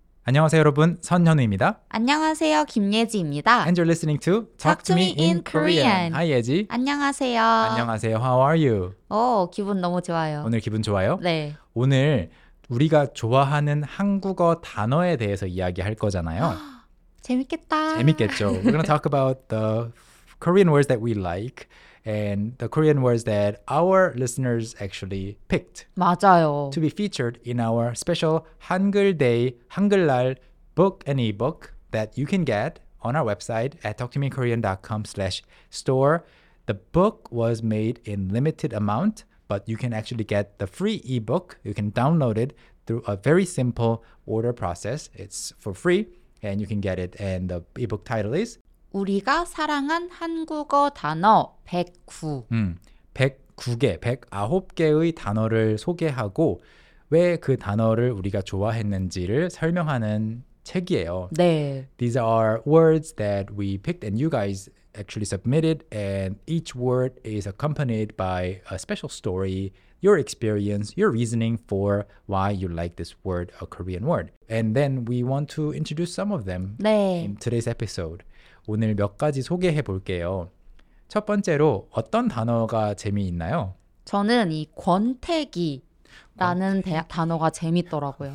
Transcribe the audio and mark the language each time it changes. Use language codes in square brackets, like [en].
[ko] 안녕하세요 여러분, 선현우입니다. 안녕하세요, 김예지입니다. [en] And you're listening to Talk to me in Korean. Hi, 예지. [ko] 안녕하세요. 안녕하세요, [en] how are you? [ko] 오, 기분 너무 좋아요. 오늘 기분 좋아요? 네. 오늘 우리가 좋아하는 한국어 단어에 대해서 이야기할 거잖아요. 재밌겠다. 재밌겠죠. [en] We're going to talk about the Korean words that we like and the Korean words that our listeners actually picked. [ko] 맞아요. [en] To be featured in our special 한글 day, 한글날 book and ebook that you can get on our website at talktomeinkorean.com/store. The book was made in limited amount, but you can actually get the free ebook. You can download it through a very simple order process. It's for free and you can get it. And the ebook title is [ko] 우리가 사랑한 한국어 단어 109. 109개의 단어를 소개하고 왜 그 단어를 우리가 좋아했는지를 설명하는 책이에요. 네. [en] These are words that we picked and you guys actually submitted, and each word is accompanied by a special story, your experience, your reasoning for why you like this word, a Korean word. And then we want to introduce some of them [ko] 네. [en] in today's episode. [ko] 오늘 몇 가지 소개해 볼게요. 첫 번째로 어떤 단어가 재미있나요? 저는 이 권태기라는 단어가 재밌더라고요.